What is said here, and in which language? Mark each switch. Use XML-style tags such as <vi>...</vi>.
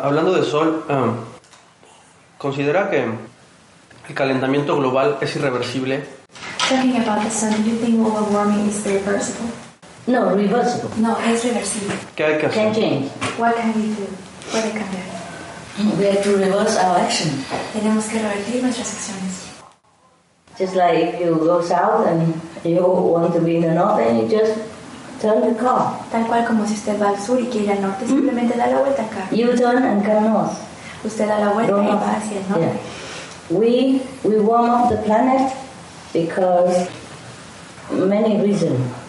<es>Hablando de sol, ¿considera que el calentamiento global es irreversible?</es> <en>Talking about the sun, do you think global warming is irreversible? No, reversible.</en> <es>No, es reversible. ¿Qué hay que hacer?</es> <en>Can change. What can we do?</en> <es>Puede cambiar.</es> <en>We have to reverse our action.</en> <es>Tenemos que revertir nuestras acciones.</es> <en>Just like if you go south and you want to be in the north, then you just turn the car.</en> <es>Tal cual como si usted va al sur y quiere ir al norte, simplemente da la vuelta acá.</es> <en>You turn and come north.</en> <es>Usted da la vuelta y va hacia el norte.</es> <en>Yeah. We warm up the planet because many reasons.</en>